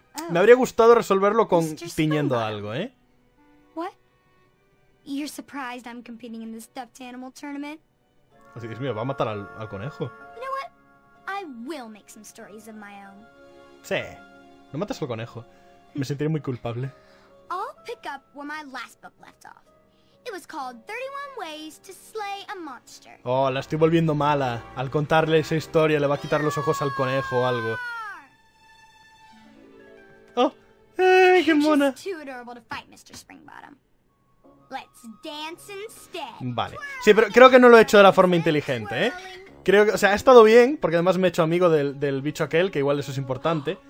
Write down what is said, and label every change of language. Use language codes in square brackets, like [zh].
[es] Me habría gustado resolverlo con tiñendo algo, ¿eh? [en] You're surprised I'm competing in the stuffed animal tournament? [es] Así que, Dios mío, va a matar al conejo. [en] You know what? I will make some stories of my own. [es] Sí. No mates al conejo. Me sentiré muy culpable. [en] I'll pick up where my last book left off. It was called 31 Ways to Slay a Monster. [es] Oh, la estoy volviendo mala. Al contarle esa historia le va a quitar los ojos al conejo o algo. Oh. Qué mona. [en] She's too adorable to fight, Mr. Springbottom. Let's dance instead. [es] Vale. Sí, pero creo que no lo he hecho de la forma inteligente, ¿eh? Creo que, o sea, ha estado bien, porque además me he hecho amigo del bicho aquel, que igual eso es importante.